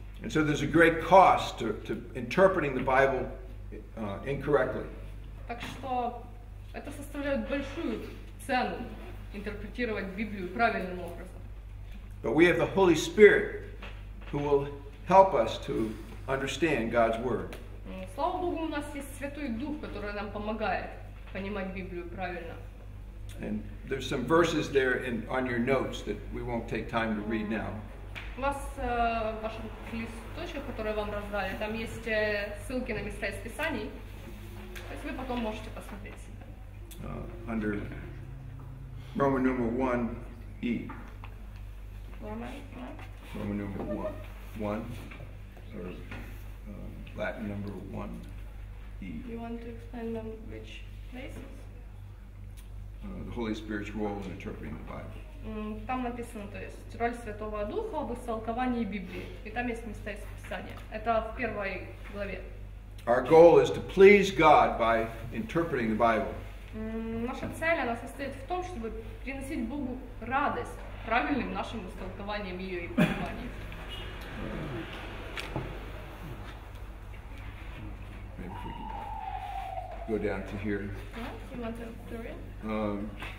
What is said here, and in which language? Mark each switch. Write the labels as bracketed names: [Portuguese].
[English] And so there's a great cost to interpreting the Bible incorrectly. [Russian] Так что это составляет большую цену интерпретировать Библию правильным образом. [English] But we have the Holy Spirit who will help us to understand God's word. [Russian] Слава Богу, у нас есть Святой Дух, который нам помогает понимать Библию правильно. [English] And there's some verses there in on your notes that we won't take time to read now. [Russian] У вас в ваших листочках, которые вам раздали, там есть ссылки на места из Писаний. То есть вы потом можете посмотреть себя. [English] Under Roman number 1E. Roman number 1. Or Latin number 1E. You want to explain them which places? The Holy Spirit's role in interpreting the Bible. [Russian] Там написано, то есть, роль Святого Духа в истолковании Библии. И там есть места из Писания. Это в первой главе. [English] Our goal is to please God by interpreting the Bible. [Russian] Наша цель, она состоит в том, чтобы приносить Богу радость правильным нашим истолкованием ее и пониманием. [English] Maybe we can go down to here. Yeah, you want to read?